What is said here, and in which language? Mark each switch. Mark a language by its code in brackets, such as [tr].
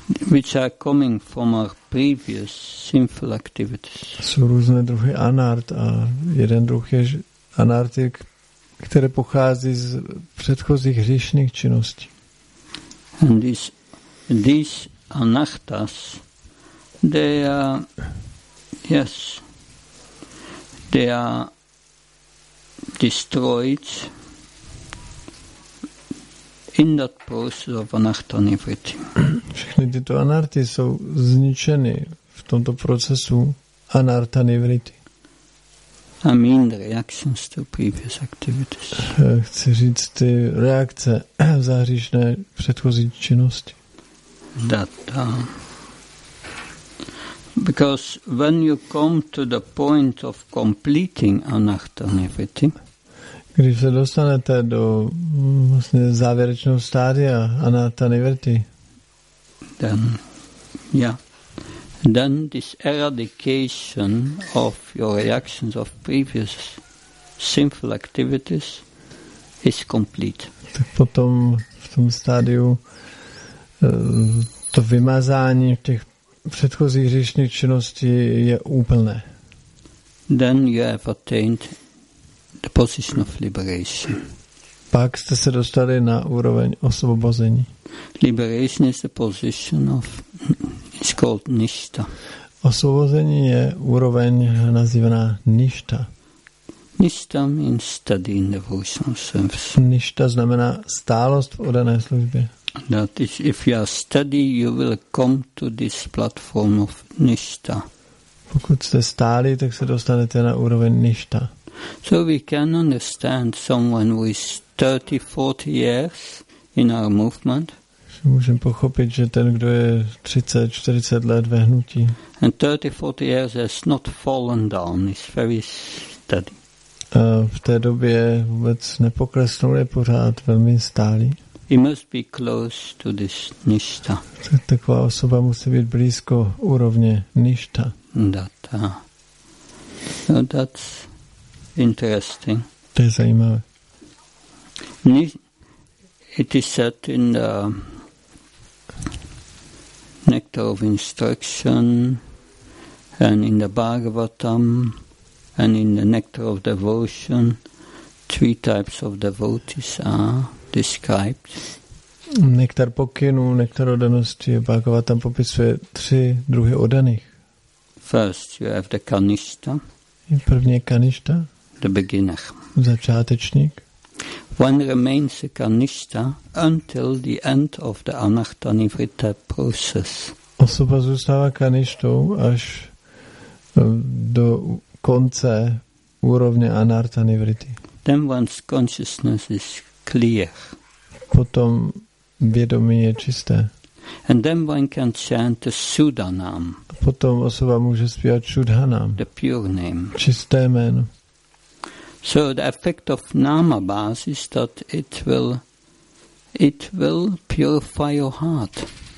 [en] Which are coming from our previous sinful activities. [cs] Jsou různé druhy anart a jeden druh je anarty, které pochází z předchozích hříšných činností. [en] And these anarthas, they are yes, they are destroyed in that process of anartha nivritti. [cs] Všechny tyto anarty jsou zničeny v tomto procesu anartha nivritti. [en] I mean the reactions to previous activities. [cs] Chci říct ty reakce v záhříšné předchozí činnosti. [en] Because when you come to the point of completing anartha nivritti, [cs] když se dostanete do vlastně závěrečného stádia anartha nivritti, [en] then this eradication of your reactions of previous sinful activities is complete. [cs] Tak potom v tom stádiu to vymazání těch předchozí hříšné činnosti je úplné. [en] Then you have attained the position of liberation. [cs] Pak jste se dostali na úroveň osvobození. [en] Liberation is the position of, it's called nishta. [cs] Osvobození je úroveň nazývaná nishta. [en] Nishta means steady in devotional service. [cs] Nishta znamená stálost v oddané službě. [en] That is, if you are steady, you will come to this platform of nishta. [cs] Pokud jste stáli, tak se dostanete na úroveň nishta. [en] So we can understand someone who is 30-40 years in our movement. [cs] Můžeme pochopit, že ten, kdo je 30-40 let ve hnutí. [en] And 30-40 years has not fallen down, is very steady. [cs] A v té době vůbec nepoklesnul, je pořád velmi stálý. [en] He must be close to this nishta. [cs] Taková osoba musí být blízko úrovně nishta. [en] That's interesting. [cs] To je zajímavé. [en] It is said in the Nectar of Instruction and in the Bhagavatam and in the Nectar of Devotion, three types of devotees are described. [cs] Nektar pokynů, nektar odanosti, Bhagavad tam popisuje tři druhy odaných. [en] First you have the kanishta. [cs] První je kanishta. [en] The beginner. [cs] Začátečník. [en] One remains a karnista until the end of the anarthanivritta process. [cs] Osoba zůstává karnistou až do konce úrovně anarthanivritty. [en] Then one's consciousness is clear. [cs] Potom vědomí je čisté. [en] And then one can chant the Sudhanam. [cs] Potom osoba může zpívat Sudhanam. [en] The pure name. [cs] Čisté jméno. [en] So the effect of namabhas is that it will purify your heart.